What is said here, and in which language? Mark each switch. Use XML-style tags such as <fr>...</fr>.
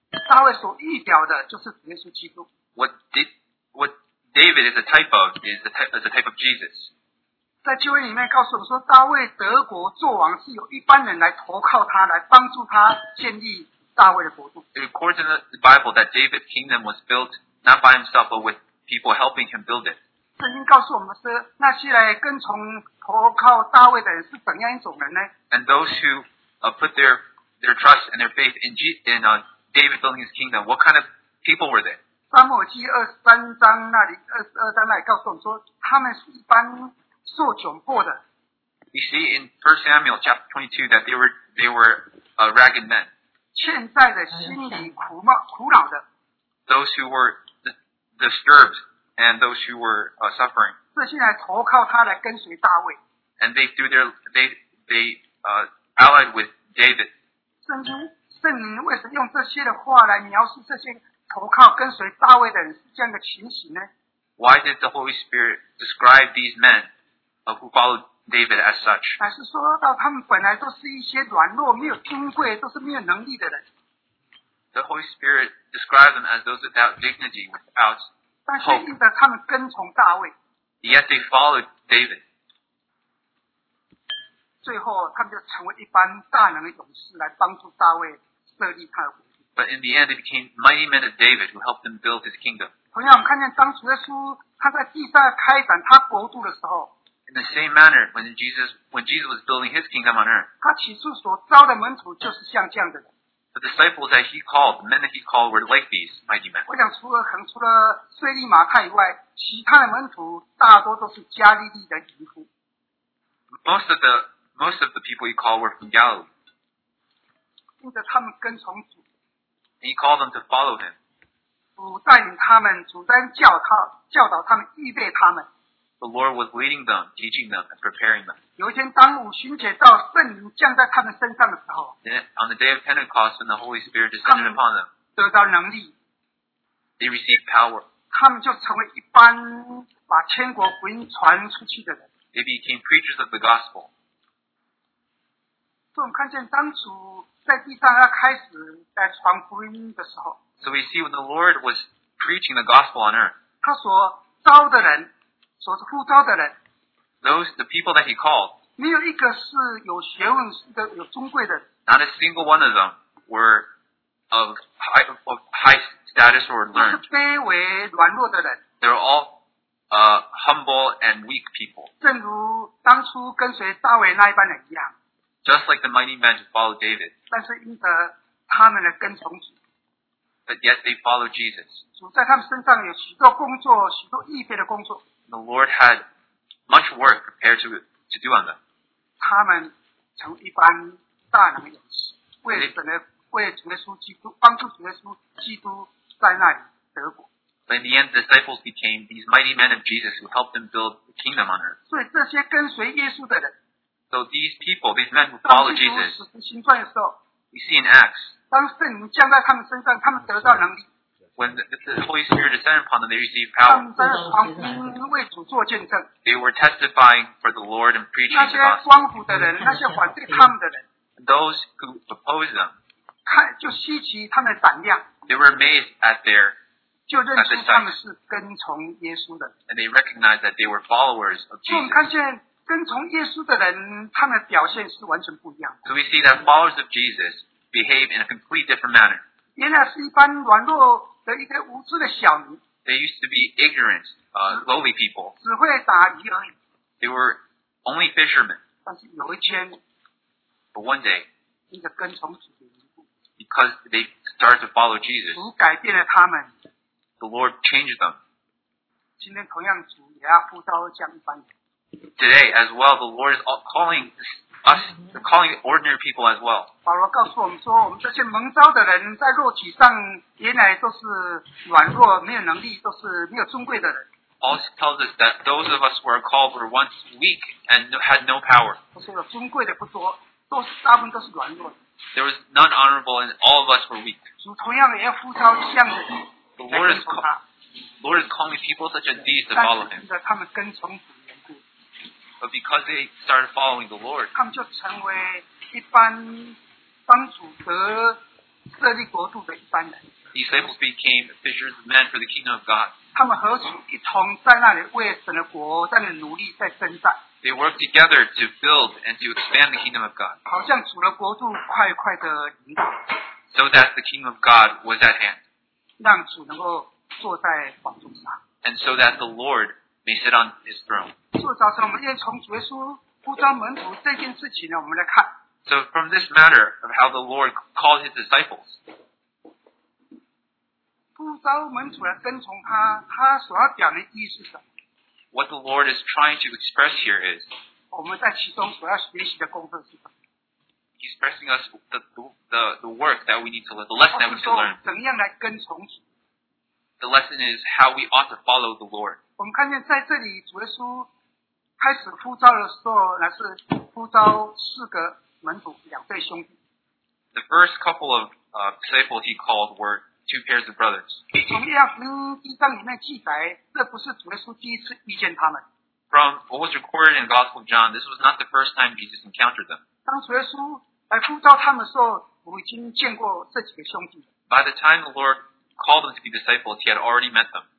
<zh>大卫所预表的就是主耶稣基督。</zh> <en>What David is a type of is a type of Jesus.</en> <zh>在旧约里面告诉我们说，大卫得国做王是由一般人来投靠他，来帮助他建立大卫的国度。</zh> <en>It records in the Bible that David's kingdom was built not by himself, but with people helping him build it.</en> <zh>圣经告诉我们说，那些来跟从投靠大卫的人是怎样一种人呢</zh> <en>？And those who put their trust and their faith in David building his kingdom, what kind of people were they?</en> <zh>撒母耳记22章那里告诉我们说，他们是一般。受窘迫的。</zh> <en>You see in 1 Samuel chapter 22 that they were ragged men.</en> <zh>欠债的，心里苦恼的。</zh> <en>Those who were disturbed and those who were suffering.</en> <zh>这些来投靠他来跟随大卫。</zh> <en>And they threw their they allied with David.</en> <zh>圣灵为什么用这些的话来描述这些投靠跟随大卫的人是这样的情形呢</zh> <en>？Why did the Holy Spirit describe these men? Who followed David as such.</en> <zh>乃是说到他们本来都是一些软弱没有尊贵都是没有能力的人。</zh> <en>The Holy Spirit described them as those without dignity, without hope.</en> <zh>但是因着他们跟从大卫。</zh> <en>Yet they followed David.</en> <zh>最后他们就成为一般大能的勇士来帮助大卫设立他的国。</zh> <en>But in the end, it became mighty men of David who helped them build his kingdom.</en> <zh>同样我们看见当主耶稣他在地上开展他国度的时候</zh> <en>In the same manner, when Jesus was building his kingdom on earth,</en> <zh>他起初所招的门徒就是像这样的人。</zh> <en>The disciples that he called, the men that he called, were like these mighty men.</en> <zh>我想除了税吏马太以外，其他的门徒大多都是加利利的渔夫。</zh> <en>Most of the people he called were from Galilee.</en> <zh>因着他们跟从主。</zh> <en>And he called them to follow him.</en> <zh>主带领他们，主在教导他们，预备他们。</zh> <en>The Lord was leading them, teaching them, and preparing them.</en> <zh>有一天，当五旬节到，圣灵降在他们身上的时候</zh> <en>，On the day of Pentecost, when the Holy Spirit descended upon them,</en> <zh>得到能力</zh> <en>，They received power.</en> <zh>他们就成为一般把天国福音传出去的人</zh> <en>，They became preachers of the gospel.</en> <zh>所以我们看见，当主在地上要开始在传福音的时候</zh> <en>，So we see when the Lord was preaching the gospel on earth,</en> <zh>他所招的人。所呼召的人</zh> <en>，those the people that he called，</en> <zh>没有一个是有学问的、有尊贵的。</zh> <en>Not a single one of them were of high status or learned。</en> <zh>是卑微软弱的人。</zh> <en>They're all humble and weak people。</en> <zh>正如当初跟随大卫那一般人一样。</zh> <en>Just like the mighty men who followed David。</en> <zh>但是因着他们的跟从主。</zh> <en>But yet they followed Jesus。</en> <zh>主在他们身上有许多工作、许多预备的工作。</zh> <en>The Lord had much work prepared to do on them.</en> <zh>他们从一般大能勇士，为主耶稣基督帮助主耶稣基督在那里得国。</zh> <en>But in the end, the disciples became these mighty men of Jesus who helped them build the kingdom on earth.</en> <zh>所以这些跟随耶稣的人</zh> <en>，So these people, these men who follow Jesus,</en> <zh>当使徒行传的时候</zh> <en>，We see in Acts,</en> <zh>当圣灵降在他们身上，他们得到能力。</zh> <en>When the Holy Spirit descended upon them, they received power.</en> <zh>他们在传福音，为主做见证。</zh> <en>They were testifying for the Lord and preaching the gospel.</en> <zh>那些光顾的人，那些反对他们的人。</zh> <en>Those who opposed them.</en> <zh>看，就稀奇他们的胆量。</zh> <en>They were amazed at their.</en> <zh>就认出他们是跟从耶稣的。</zh> <en>And they recognized that they were followers of Jesus.</en> <zh>我们看见跟从耶稣的人，他们的表现是完全不一样。</zh> <en>So we see that followers of Jesus behave in a completely different manner.</en> <zh>原来是一般软弱。的一个无知的小民</zh> <en>，They used to be ignorant, lowly people.</en> <zh>只会打鱼而已。</zh> <en>They were only fishermen.</en> <zh>但是有一天</zh> <en>，But one day,</en> <zh>因着跟从主的缘故</zh> <en>，Because they started to follow Jesus.</en> <zh>主改变了他们。</zh> <en>The Lord changed them.</en> <zh>今天同样主也要呼召这样一般人。</zh> <en>Today as well, the Lord is calling us, calling ordinary people as well.</en> <zh>保罗告诉我们说，我们这些蒙召的人在肉体上。原来都是软弱，没有能力，都是没有尊贵的人。</zh> <en>Also tells us that those of us who are called were once weak and had no power.</en> <zh>不是有尊贵的不多，都是大部分都是软弱的。</zh> <en>There was none honorable, and all of us were weak.</en> <zh>主同样也要呼召这样的人来跟从他。</zh> <en>The Lord is calling people such as these to follow him.</en> <zh>但是他们跟从主的缘故。</zh> <en>But because they started following the Lord.</en> <zh>他们就成为一般帮主得设立国度的一般人。</zh> <en>These disciples became fishers of men for the kingdom of God.</en> <zh>他们和一同在那里为神的国在那里努力在征战。</zh> <en>They work together to build and to expand the kingdom of God.</en> <zh>好像主的国度快快的临到。</zh> <en>So that the kingdom of God was at hand.</en> <zh>让主能够坐在宝座上。</zh> <en>And so that the Lord may sit on his throne.</en> <zh>所以早晨我们要从主耶稣呼召门徒这件事情呢，我们来看。</zh> <en>So from this matter of how the Lord called his disciples.</en> <zh>呼召门徒来跟从他，他所要讲的意思是什么？</zh> <en>What the Lord is trying to express here is.</en> <zh>我们在其中所要学习的功课是什么？</zh> <en>He's pressing us the work that we need to learn, the lesson that we need to learn.</en> <zh>怎样来跟从主？</zh> <en>The lesson is how we ought to follow the Lord.</en> <zh>我们看见在这里主耶稣开始呼召的时候，乃是呼召四个。</zh> <en>The first couple of disciples he called were two pairs of brothers.</en> <zh>从约翰福音第一章里面记载，这不是主耶稣第一次遇见他们。</zh> <en>From what was recorded in the Gospel of John, this was not the first time Jesus encountered them.</en> <zh>当主耶稣来呼召他们的时候，我已经见过这几个兄弟。</zh> <en>By the time the Lord called them to be disciples, he had already met them.</en>